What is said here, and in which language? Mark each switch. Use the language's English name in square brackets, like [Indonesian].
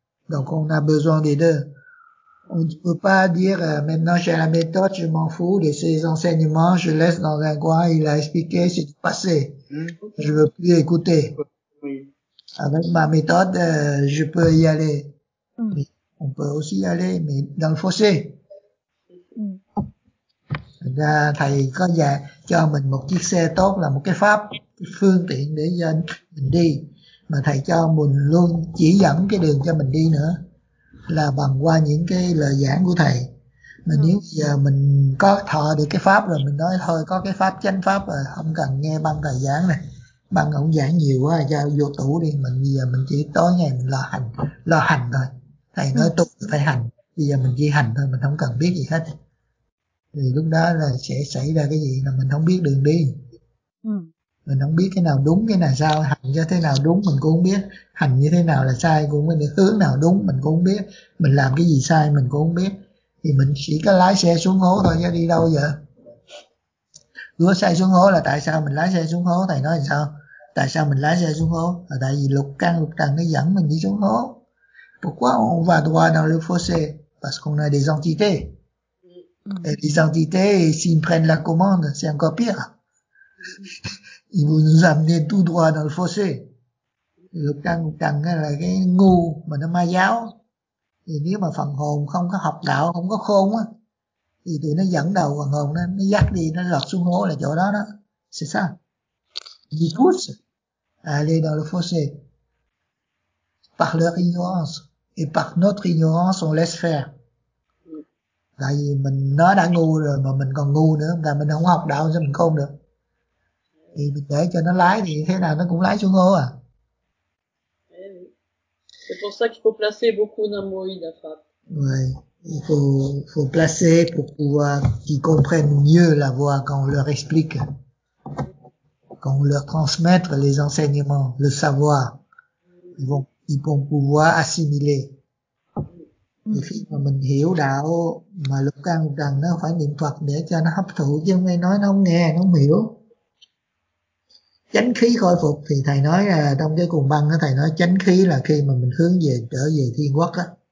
[French] Donc on a besoin des deux. On ne peut pas dire maintenant j'ai la méthode, je m'en fous de ces enseignements, je laisse dans un coin, il a expliqué, c'est passé. Je veux plus écouter. Avec ma méthode, je peux y aller. Mais on peut aussi y aller, mais dans le fossé. [Vietnamese] Thầy có dạy cho mình một chiếc xe tốt là một cái pháp, cái phương tiện để mình đi. Mà thầy cho mình luôn chỉ dẫn cái đường cho mình đi nữa, là bằng qua những cái lời giảng của thầy. Mà nếu giờ mình có thọ được cái pháp rồi, mình nói thôi có cái pháp chánh pháp rồi, không cần nghe băng thầy giảng này, băng ổng giảng nhiều quá cho vô tủ đi. Mình bây giờ mình chỉ tối ngày mình lo hành thôi. Thầy nói tu phải hành, bây giờ mình chỉ hành thôi, mình không cần biết gì hết. Thì lúc đó là sẽ xảy ra cái gì, là mình không biết đường đi. Mình không biết cái nào đúng, cái nào sao, hành như thế nào đúng mình cũng không biết, hành như thế nào là sai cũng không biết, hướng nào đúng mình cũng không biết, mình làm cái gì sai mình cũng không biết. Thì mình chỉ có lái xe xuống hố thôi chứ đi đâu giờ. Lúa xe xuống hố là tại sao mình lái xe xuống hố, thầy nói là sao? Tại sao mình lái xe xuống hố? Là tại vì lục căn lục trần nó dẫn mình đi xuống hố. [French] Pourquoi on va droit dans le fossé? Parce qu'on a des entités. Et les entités, s'ils prennent la commande, c'est encore pire. Ils vont nous amener tout droit dans le fossé. [Vietnamese] Le căng căng là cái ngu mà nó ma giáo. Thì nếu mà phần hồn không có học đạo, không có khôn á, thì tụi nó dẫn đầu phần hồn nó dắt đi, nó lọt xuống hố là chỗ đó đó. [French] C'est ça. Ils poussent à aller dans le fossé. Par leur ignorance. Et par notre ignorance, on laisse faire. [Vietnamese] Tại vì mình nó đã ngu rồi mà mình còn ngu nữa, là mình không học đạo sao mình khôn được. Thì mình để cho nó lái thì thế nào nó cũng lái xuống hố à. [French] C'est pour ça qu'il faut placer beaucoup d'amour dans la [Vietnamese] pháp. [French] Ouais, il faut placer pour pouvoir qu'ils comprennent mieux la voie quand on leur explique, quand on leur transmettre les enseignements, le savoir, ils vont pouvoir assimiler. [Vietnamese] Thì khi mà mình hiểu đạo mà lúc ăn rằng nó phải niệm Phật để cho nó hấp thụ, chứ không ai nói nó không nghe, nó không hiểu. Chánh khí khôi phục thì thầy nói là trong cái cùng băng á, thầy nói chánh khí là khi mà mình hướng về trở về thiên quốc á,